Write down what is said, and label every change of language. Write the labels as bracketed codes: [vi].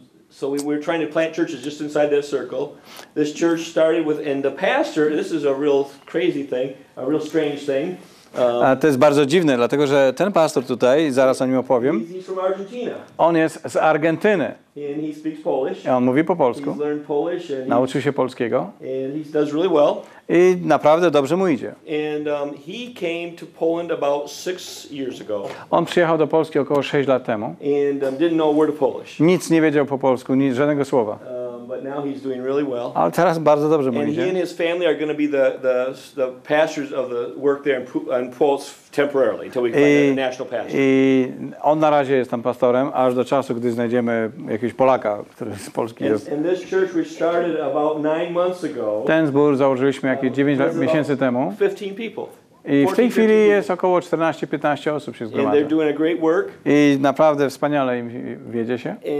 [en] So we're trying to plant churches just inside that circle. This church started with, and the pastor, this is a real crazy thing, a real strange thing. [pl] A to jest bardzo dziwne, dlatego że ten pastor tutaj, zaraz o nim opowiem, on jest z Argentyny. [en] And he speaks Polish. [pl] I on mówi po polsku. [en] He's learned Polish and [pl] nauczył się polskiego. [en] And he does really well. [pl] I naprawdę dobrze mu idzie. [en] And, he came to Poland about 6 years ago. [pl] On przyjechał do Polski około 6 lat temu. [en] And, didn't know a word of Polish. [pl] Nic nie wiedział po polsku, nic, żadnego słowa. [en] But now he's doing really well. [pl] Ale teraz bardzo dobrze mu idzie. [en] And he and his family are going to be the pastors of the work there in Polsk temporarily until we find a national pastor. [pl] I on na razie jest tam pastorem aż do czasu, gdy znajdziemy jakiegoś Polaka, który z Polski jest. [en] And this church we started about 9 months ago. [pl] Ten zbór założyliśmy jakieś 9 miesięcy temu. [en] 15 people. [pl] I w tej chwili jest około 14-15 osób się zgromadza. I naprawdę wspaniale im wiedzie się.